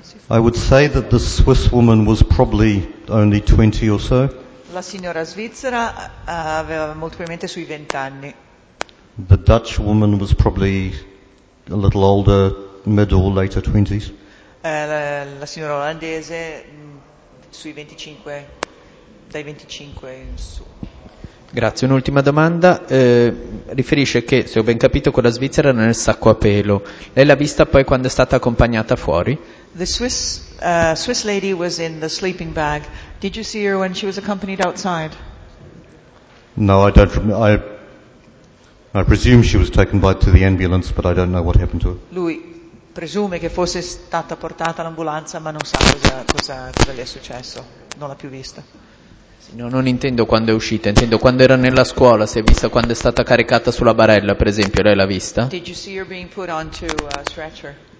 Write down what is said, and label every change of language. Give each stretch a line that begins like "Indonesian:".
English: I would say that the Swiss woman was probably only 20 or so.
Italian: La signora svizzera aveva molto probabilmente sui 20 anni.
English: The Dutch woman was probably a little older, mid or later 20s.
Italian: La signora olandese sui 25, dai 25 in su. Grazie, un'ultima domanda, riferisce che, se ho ben capito, quella svizzera era nel sacco a pelo, lei l'ha vista poi quando è stata accompagnata fuori?
English: The Swiss lady was in the sleeping bag, did you see her when she was accompanied outside? No, I don't I presume she was taken by to the ambulance, but I don't know what happened to her.
Italian: Lui presume che fosse stata portata all'ambulanza, ma non sa cosa gli è successo, non l'ha più vista. No, non intendo quando è uscita, intendo quando era nella scuola, si è vista quando è stata caricata sulla barella, per esempio, lei l'ha vista?
English: Did you see her being put onto a stretcher?